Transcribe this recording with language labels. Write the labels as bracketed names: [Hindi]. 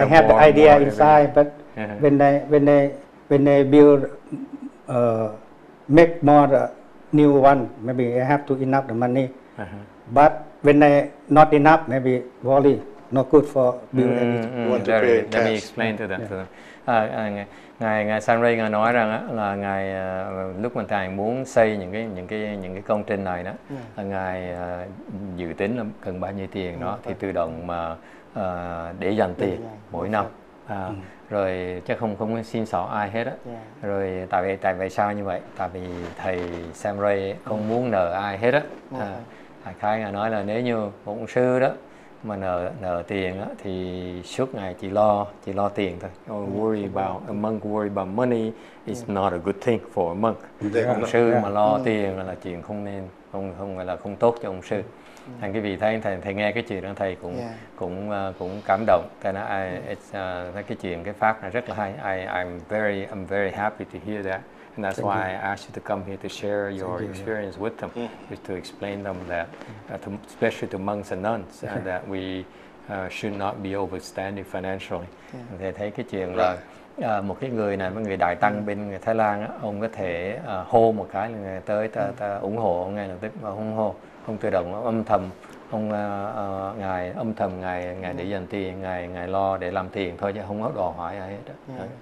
[English] more. I have the idea inside, but when I build. Make more new one, maybe I have to enough the money. But when I not enough, maybe worry, not good for building anything. Want to create tests. Let me explain to them. Yeah. [Vietnamese] Ngài ngài Sanray ngài nói rằng là ngài lúc mà thầy muốn xây những cái công trình này đó, yeah. Ngài dự tính là cần bao nhiêu tiền đó, thì tự động mà để dành tiền mỗi năm. Rồi chắc không xin xỏ ai hết á. Yeah. Rồi tại vì sao như vậy? Tại vì thầy Sanray không muốn nợ ai hết á. Thầy Khai ngài nói là nếu như một sư đó mà nợ tiền á thì suốt ngày chỉ lo tiền thôi. [English] Worry about a monk worry about money is not a good thing for a monk. [Vietnamese] Ông sư mà lo tiền là chuyện không nên, không gọi là không tốt cho ông sư. Thành cái vị thầy nghe cái chuyện đó thầy cũng cảm động. Thầy nói cái chuyện cái pháp này rất là hay. [English] I'm very happy to hear that. And that's why I asked you to come here to share your experience with them, is to explain them that, especially to monks and nuns, that we should not be overextended financially. [Vietnamese] Thầy thấy cái chuyện là một cái người này, một người đại tăng bên người Thái Lan á, ông có thể hô một cái là người tới ta ủng hộ ông ngay lập tức, mà không hô, không tự động âm thầm ông ngài âm thầm ngài để dành tiền, ngài lo để làm tiền thôi chứ không có đòi hỏi ai hết.